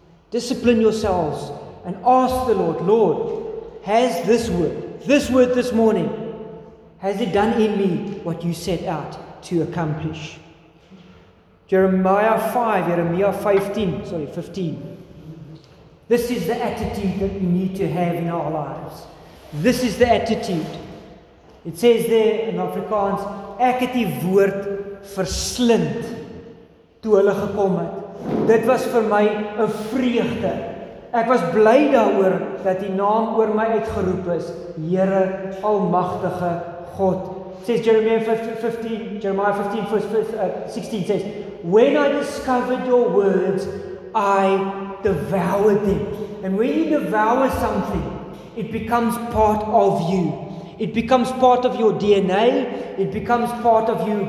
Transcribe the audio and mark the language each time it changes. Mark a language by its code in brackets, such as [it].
[en] Discipline yourselves and ask the Lord, Lord, has this word this morning, has it done in me what you set out to accomplish? Jeremiah 15. This is the attitude that we need to have in our lives. This is the attitude. It says there in Afrikaans, [af] ek het die woord verslind toe hulle gekom het. Dit was vir my 'n vreugde. Ek was bly daaroor dat die naam oor my uitgeroep is, Here Almagtige God. [en] Says Jeremiah 15:16 says, when I discovered your words, I devoured them. And when you devour something, it becomes part of you. It becomes part of your DNA. It becomes part of you.